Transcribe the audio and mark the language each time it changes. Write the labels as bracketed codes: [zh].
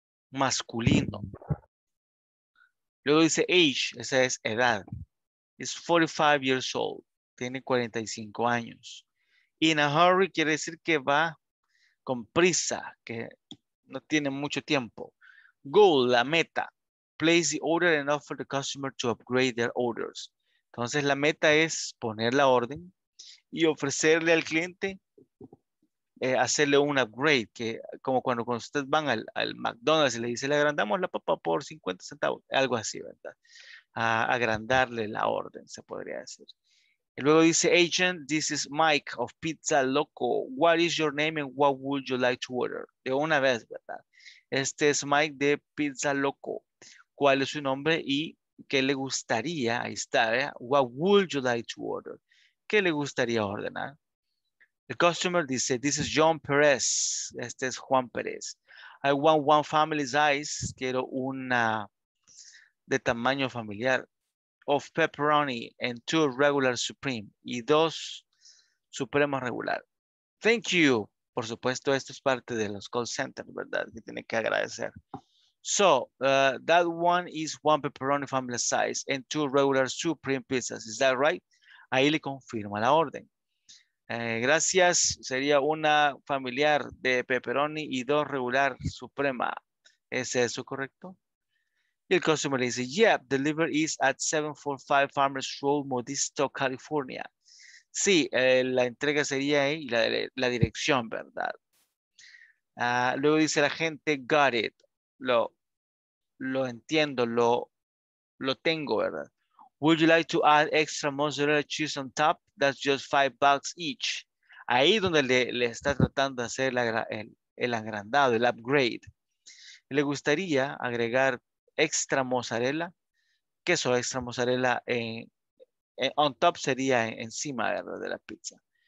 [es] Masculino. Luego dice age, esa es edad. [en] Is 45 years old. [es] Tiene 45 años. [en] In a hurry [es] quiere decir que va con prisa, que no tiene mucho tiempo. Goal, la meta. [en] Place the order and offer the customer to upgrade their orders. [es] Entonces la meta es poner la orden y ofrecerle al cliente hacerle un upgrade, que como cuando ustedes van al McDonald's y le dice, le agrandamos la papa por 50 centavos, algo así, ¿verdad? A agrandarle la orden, se podría decir. Y luego dice, agent, [en] this is Mike of Pizza Loco. What is your name and what would you like to order? [es] De una vez, ¿verdad? Este es Mike de Pizza Loco. ¿Cuál es su nombre y ¿Qué le gustaría? Ahí está, ¿eh? [en] What would you like to order? [es] ¿Qué le gustaría ordenar? The customer dice, [en] this is John Perez. [es] Este es Juan Perez. [en] I want one family size. [es] Quiero una de tamaño familiar. [en] Of pepperoni and two regular supreme. [es] Y dos supremos regular. [en] Thank you. [es] Por supuesto, esto es parte de los call centers, ¿verdad? Que tiene que agradecer. [en] So, that one is one pepperoni family size and two regular supreme pizzas. Is that right? [es] Ahí le confirma la orden. Gracias, sería una familiar de pepperoni y dos regular suprema. ¿Es eso correcto? Y el customer le dice, [en] yeah, delivery is at 745 Farmers Road, Modesto, California. [es] Sí, la entrega sería ahí, la dirección, ¿verdad? Luego dice la gente, [en] got it. [es] Lo entiendo, lo tengo, ¿verdad? [en] Would you like to add extra mozzarella cheese on top? That's just $5 each. [es] Ahí donde le está tratando de hacer el agrandado, el upgrade. ¿Le gustaría agregar extra mozzarella? Queso extra mozzarella [en] on top [es] sería encima, ¿verdad?, de la pizza.